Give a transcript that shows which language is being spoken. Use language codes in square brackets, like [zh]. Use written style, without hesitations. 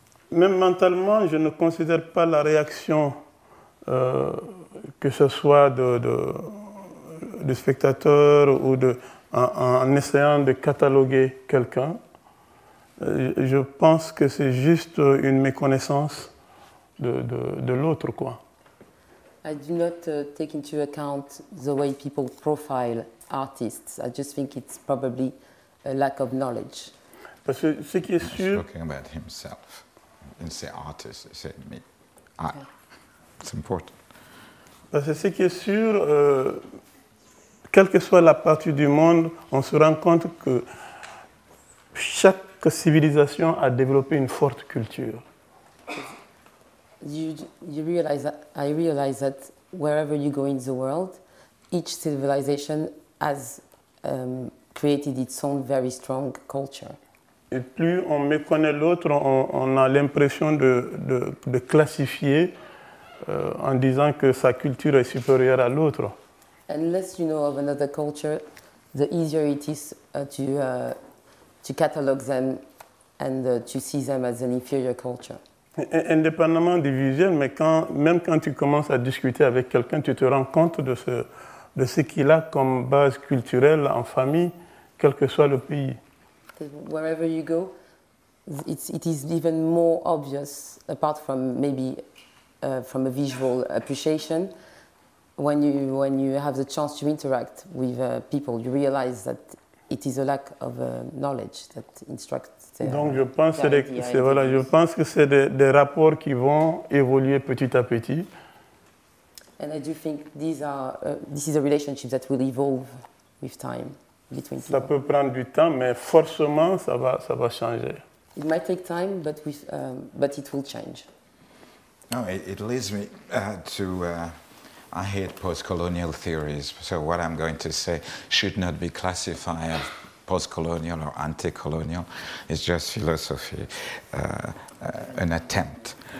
[fr] Même mentalement, je ne considère pas la réaction que ce soit de spectateur ou de en essayant de cataloguer quelqu'un, je pense que c'est juste une méconnaissance de l'autre, quoi. [en] I do not take into account the way people profile artists. I just think it's probably a lack of knowledge. [fr] Parce que ce qui est sûr. [en] He's talking about himself. He said artist, he said me. Okay. It's important. [fr] Parce que ce qui est sûr, quelle que soit la partie du monde, on se rend compte que chaque civilisation a développé une forte culture. [en] I realize that wherever you go in the world, each civilization has created its own very strong culture. [fr] Et plus on méconnaît l'autre, on a l'impression de classifier en disant que sa culture est supérieure à l'autre. [en] And less you know of another culture, the easier it is to catalogue them and to see them as an inferior culture. [fr] Indépendamment du visuel, mais même quand tu commences à discuter avec quelqu'un, tu te rends compte de ce qu'il a comme base culturelle en famille, quel que soit le pays. [en] Wherever you go, it is even more obvious, apart from maybe from a visual appreciation, when you have the chance to interact with people, you realize that it is a lack of knowledge that instructs. [fr] Donc je pense que c'est des rapports qui vont évoluer petit à petit. [en] And I do think this is a relationship that will evolve with time between people. [fr] Ça peut prendre du temps, mais forcément ça va changer. [en] It might take time, but but it will change. Oh, it leads me to I hate post-colonial theories. So what I'm going to say should not be classified. Post-colonial or anti-colonial, it's just philosophy, an attempt.